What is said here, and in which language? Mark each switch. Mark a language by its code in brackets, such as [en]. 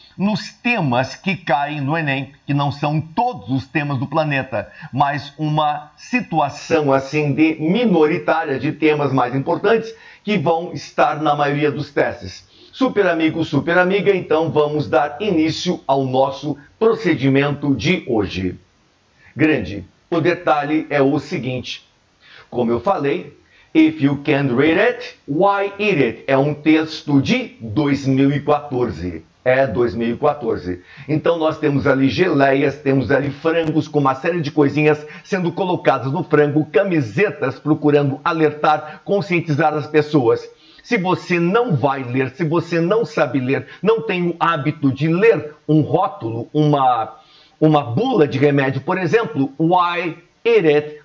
[pt] Nos temas que caem no Enem, que não são todos os temas do planeta, mas uma situação assim de minoritária de temas mais importantes que vão estar na maioria dos testes. Super amigo, super amiga, então vamos dar início ao nosso procedimento de hoje. Grande, o detalhe é o seguinte. Como eu falei, [en] if you can't read it, why eat it? [pt] É um texto de 2014. É 2014. Então nós temos ali geleias, temos ali frangos com uma série de coisinhas sendo colocadas no frango, camisetas procurando alertar, conscientizar as pessoas. Se você não vai ler, se você não sabe ler, não tem o hábito de ler um rótulo, uma bula de remédio, por exemplo, [en] why eat it?